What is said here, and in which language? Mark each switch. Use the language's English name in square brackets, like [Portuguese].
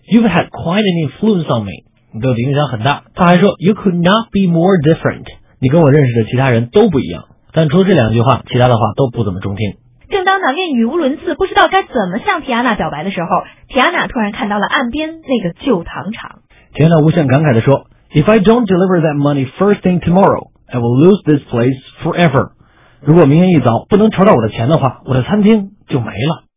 [English] You've had quite an influence on me. [Chinese] 你对我的影响很大。他还说 [English] ，You could not be more different. [Chinese] 你跟我认识的其他人都不一样。但除了这两句话，其他的话都不怎么中听。正当南韵语无伦次，不知道该怎么向提亚娜表白的时候，提亚娜突然看到了岸边那个旧糖厂。提亚娜无限感慨地说 [English] If I don't deliver that money first thing tomorrow, I will lose this place forever. [Chinese] 如果明天一早不能筹到我的钱的话，我的餐厅就没了。